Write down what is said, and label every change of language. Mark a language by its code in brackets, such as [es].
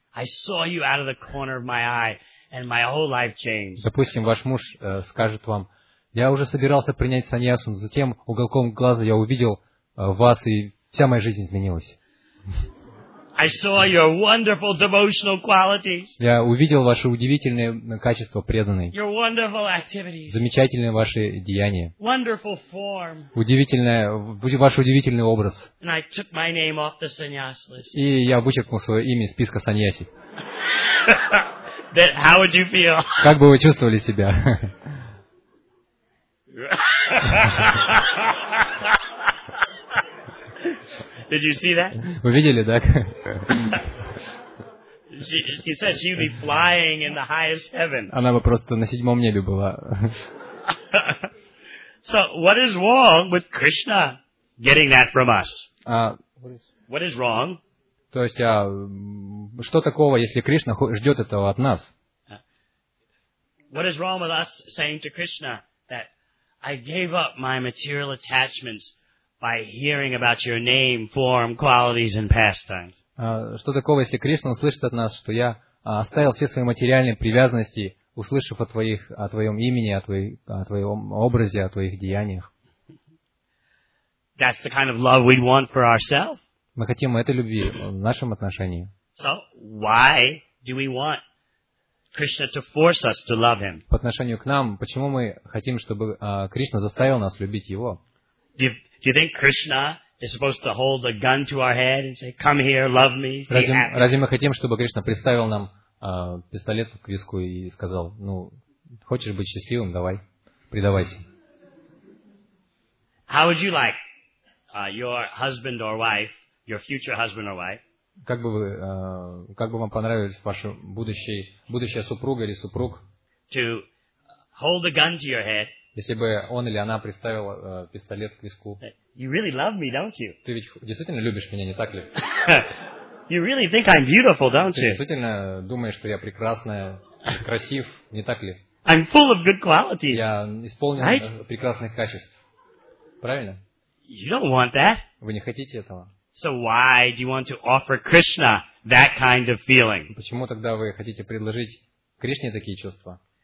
[en] I saw you out of the corner of my eye, and my whole life changed. [ru] Допустим, ваш муж скажет вам: я уже собирался принять саньясу, но затем уголком глаза я увидел вас, и вся моя жизнь изменилась. [en] I saw your wonderful devotional qualities. [ru] Я увидел ваши удивительные качества преданной. [en] Your wonderful activities. [ru] Замечательные ваши деяния. [en] Wonderful form. [ru] Удивительная, ваш удивительный образ. [en] And I took my name off the sannyasa list. [ru] И я вычеркнул свое имя из списка саньяси. [en] Then how would you feel? [ru] Как бы вы чувствовали себя? [en] Did you see that? [ru] Вы видели, да? [en] She said she'd be flying in the highest heaven. [ru] Она бы просто на седьмом небе была. [en] So what is wrong with Krishna getting that from us? What is wrong? [ru] То есть, что такого, если Кришна ждет этого от нас? [en] What is wrong with us saying to Krishna that I gave up my material attachments by hearing about your name, form, qualities and pastimes? [ru] Что такого, если Кришна услышит от нас, что я оставил все свои материальные привязанности, услышав о твоем имени, о твоем образе, о твоих деяниях? [en] That's the kind of love we want for ourselves. [ru] Мы хотим этой любви в нашем отношении. [en] So why do we want Krishna to force us to love him? [ru] По отношению к нам, почему мы хотим, чтобы Кришна заставил нас любить его? [en] Do you think Krishna is supposed to hold a gun to our head and say, "Come here, love me"? [ru] Разве мы хотим, чтобы Кришна приставил нам пистолет к виску и сказал: "Ну, хочешь быть счастливым, давай, предавайся"? [en] How would you like your husband or wife, your future husband or wife? [ru] Как бы вам понравилось ваша будущая супруга или супруг, [en] to hold a gun to your head, [ru] если бы он или она приставил пистолет к виску? [en] You really love me, don't you? [ru] Ты ведь действительно любишь меня, не так ли? [en] You really think I'm beautiful, don't you? [ru] Ты действительно думаешь, что я прекрасная, красив, не так ли? [en] I'm full of good qualities. [ru] Я исполнен [en] right? [ru] прекрасных качеств. Правильно? [en] You don't want that. [ru] Вы не хотите этого. [en] So why do you want to offer Krishna that kind of feeling? [ru] Почему тогда вы хотите предложить Кришне такие чувства?